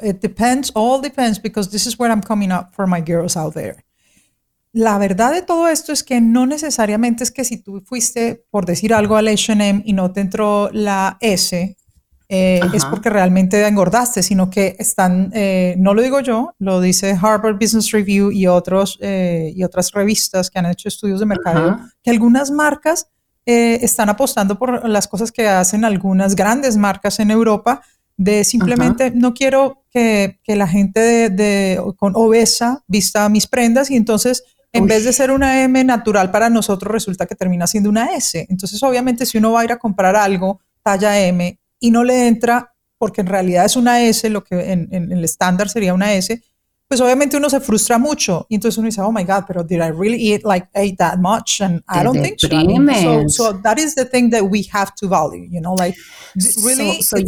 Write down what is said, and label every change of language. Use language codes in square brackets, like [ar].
[en] It depends, all depends, because this is where I'm coming up for my girls out there. [es] La verdad de todo esto es que no necesariamente es que si tú fuiste, por decir algo, al H&M y no te entró la S, es porque realmente engordaste, sino que están, no lo digo yo, lo dice Harvard Business Review y otros, y otras revistas que han hecho estudios de mercado, que algunas marcas están apostando por las cosas que hacen algunas grandes marcas en Europa, de simplemente no quiero que la gente con obesa vista mis prendas, y entonces en vez de ser una M natural para nosotros, resulta que termina siendo una S. Entonces, obviamente, si uno va a ir a comprar algo talla M y no le entra, porque en realidad es una S, lo que en el estándar sería una S, pues obviamente uno se frustra mucho. Y entonces uno dice, [en] oh my God, [es] pero [en] did I really eat like ate that much? And I don't think so. So that is the thing that we have to value, you know, like really.